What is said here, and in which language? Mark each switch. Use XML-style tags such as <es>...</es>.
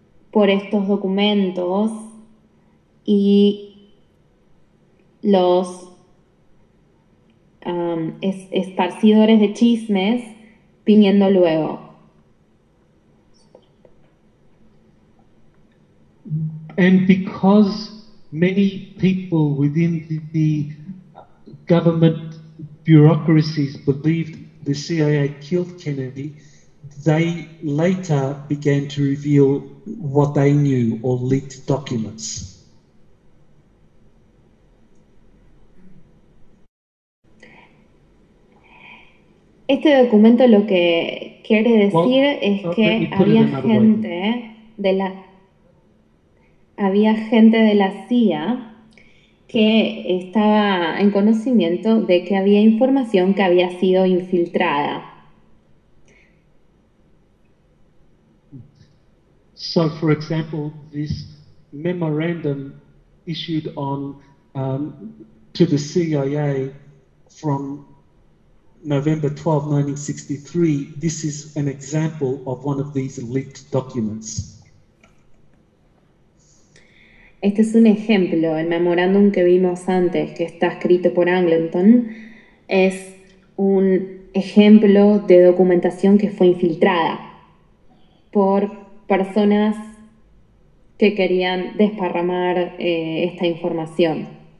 <es>por estos documentos y los esparcidores de chismes viniendo luego.</es> <en>And because many people within the government bureaucracies believed the CIA killed Kennedy, they later began to reveal what they knew or leaked documents.</en> <es>Este documento lo que quiere decir es que había gente de la CIA que estaba en conocimiento de que había información que había sido infiltrada.</es> <en>So, for example, this memorandum issued on to the CIA from November 12, 1963, this is an example of one of these leaked documents.</en> <es>Este es un ejemplo, el memorándum que vimos antes, que está escrito por Angleton, es un ejemplo de documentación que fue infiltrada por personas que querían desparramar esta información.</es>